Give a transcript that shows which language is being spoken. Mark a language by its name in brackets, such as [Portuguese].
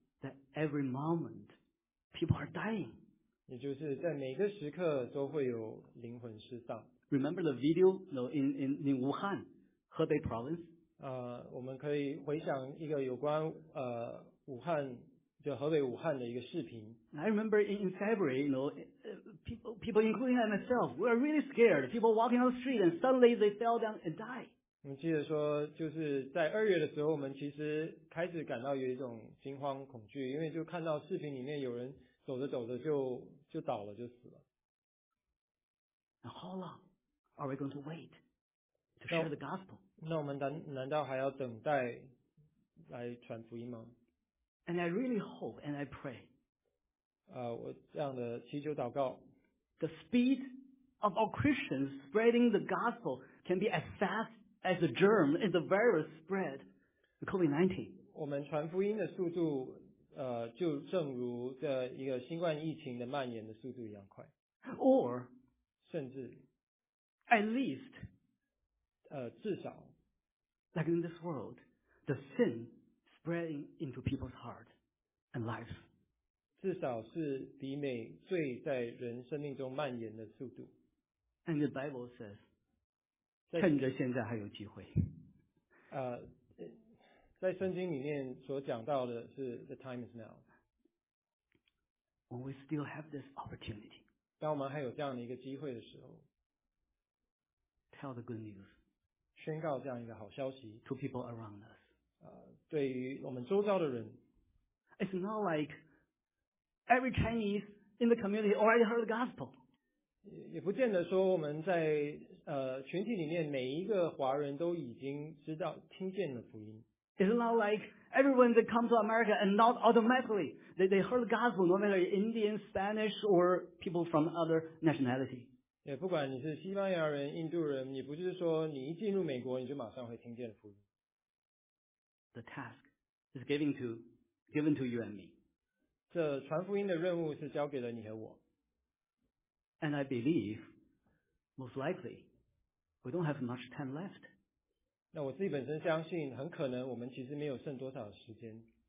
[English] that every moment people are dying [Chinese] 也就是在每个时刻都会有灵魂失丧 [English] Remember the video in Wuhan, Hebei province? [Chinese] 我们可以回想一个有关武汉，就河北武汉的一个视频。 [English] I remember in February, you know, people including myself, we were really scared. People walking on the street and suddenly they fell down and die. [Chinese] 我们记得说，就是在二月的时候，我们其实开始感到有一种惊慌恐惧，因为就看到视频里面有人走着走着就倒了，就死了。 [English] And how long? Are we going to wait to share the gospel? [Chinese] 那我们难道还要等待来传福音吗？ [English] And I really hope and I pray. [Chinese] 我这样的祈求祷告。 [English] The speed of all Christians spreading the gospel can be as fast as the germ in the virus spread, COVID-19. [Chinese] 我们传福音的速度，就正如这一个新冠疫情的蔓延的速度一样快。 [English] Or, [Chinese] 甚至 [English] at least, [Chinese] 至少 [English] like in this world, the sin spreading into people's hearts and lives. [Chinese] 至少是比美罪在人生命中蔓延的速度。 [English] And the Bible says, [Chinese] 趁着现在还有机会。在圣经里面所讲到的是 [English] the time is now. When we still have this opportunity, [Chinese] 当我们还有这样的一个机会的时候， [English] tell the good news, [Chinese] 宣告这样一个好消息 [English] to people around us. [Chinese] 对于我们周遭的人， [English] it's not like every Chinese in the community already heard the gospel. [Chinese] 也不见得说我们在群体里面每一个华人都已经知道听见了福音。 [English] It's not like everyone that comes to America and not automatically they heard the gospel, no matter Indian, Spanish, or people from other nationality. [Chinese] 也不管你是西班牙人、印度人，也不是说你一进入美国你就马上会听见福音。 [English] The task is given to you and me. [Chinese] 这传福音的任务是交给了你和我。 [English] And I believe, most likely, we don't have much time left. [Chinese] 那我自己本身相信很可能我们其实没有剩多少时间。